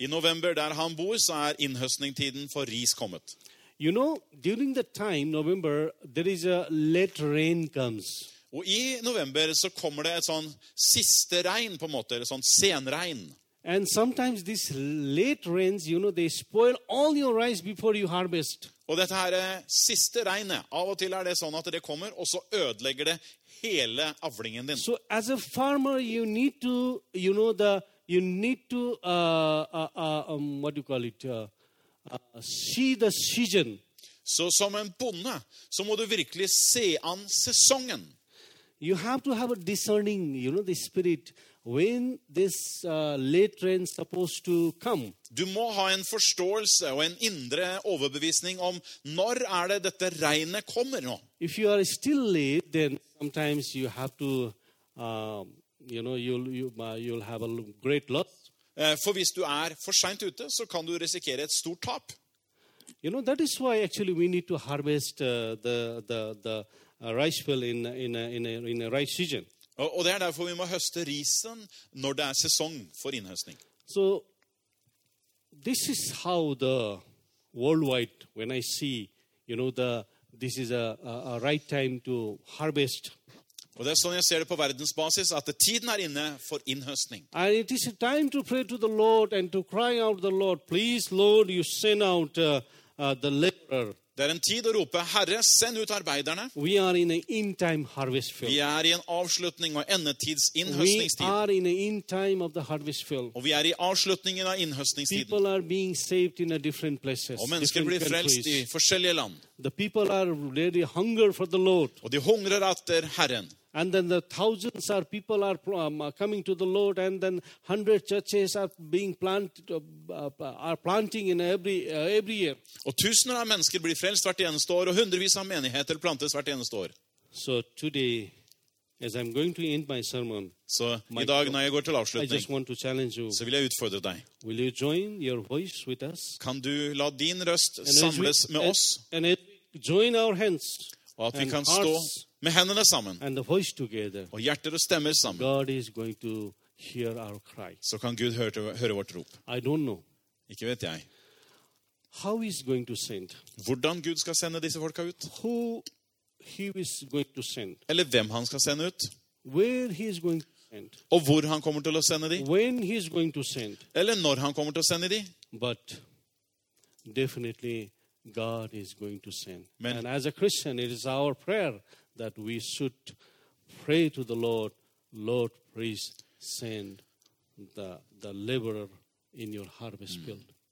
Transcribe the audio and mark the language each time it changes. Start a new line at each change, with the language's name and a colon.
Swedish: I november där han bor så är inhöstningstiden för ris kommit.
English: You know, during the time November there is a late rain comes.
Swedish: Och i november så kommer det ett sån sista regn på något eller sånt senregn.
English: And sometimes these late rains, you know, they spoil all your rice before you harvest.
Swedish: Och det här sista regnet, av och till är det sånt att det kommer och så ödelägger det hela avlingen din.
English: So as a farmer see the season.
Swedish: Så som en bonde så må du verkligen se an säsongen.
English: You have to have a discerning, you know, the spirit when this late rain supposed to come.
Swedish: Du må ha en förståelse och en inre överbevisning om när är det detta regnet kommer nå.
English: If you are still late, then sometimes you have to you'll have a great loss.
Swedish: För visst du är för sent ute så kan du riskera ett stort tap.
English: You know, that is why actually we need to harvest the rice field in a rice season.
Swedish: Och det är därför vi måste hösta risen när det är säsong för inhöstning.
English: So this is how the worldwide when I see, you know, this is a right time to harvest.
Swedish: Och det är så jag ser det på världsbasis att tiden är inne för inhöstning.
English: And it is time to pray to the Lord and to cry out to the Lord, please Lord, you send out the laborer.
Swedish: Det är en tid att ropa, Herre, send ut arbetarna.
English: We are in an end time harvest field.
Swedish: Vi är i en avslutning och endetids inhöstningstid.
English: We are in an end time of the harvest field.
Swedish: Och vi är i avslutningen av inhöstningstiden.
English: People are being saved in a different places.
Swedish: Och människor blir frälst i olika land.
English: The people are really hunger for the Lord.
Swedish: Och de hungrar efter Herren.
English: And then the thousands of people are coming to the Lord, and then 100 churches are being planted, are planting in every year.
Swedish: Och tusentals av människor blir frälst vart enaste år, och hundrevis av menigheter plantas vart enaste år.
English: So today, as I'm going to end my sermon,
Swedish: så idag när jag går till avslutning,
English: I just want to challenge you.
Swedish: Så vill jag utfordra dig.
English: Will you join your voice with us?
Swedish: Kan du låta din röst samlas med oss?
English: And join our hands.
Swedish: Och att vi kan stå med händerna samman.
English: And the voice together.
Swedish: Och hjärtat och stämmer samman.
English: God is going to hear our cry.
Swedish: Så kan Gud höra vårt rop.
English: I don't know.
Swedish: Ikke vet jag.
English: How is going to send?
Swedish: Hvordan Gud ska sända dessa folk ut?
English: Who he is going to send?
Swedish: Eller vem han ska sända ut?
English: Where he is going to send?
Swedish: Och var han kommer till att sända dig?
English: When he is going to send?
Swedish: Eller när han kommer till att sända dig?
English: But definitely God is going to send.
Swedish: Men,
English: and as a Christian, it is our prayer that we should pray to the Lord, Lord, please send the laborer in your harvest field.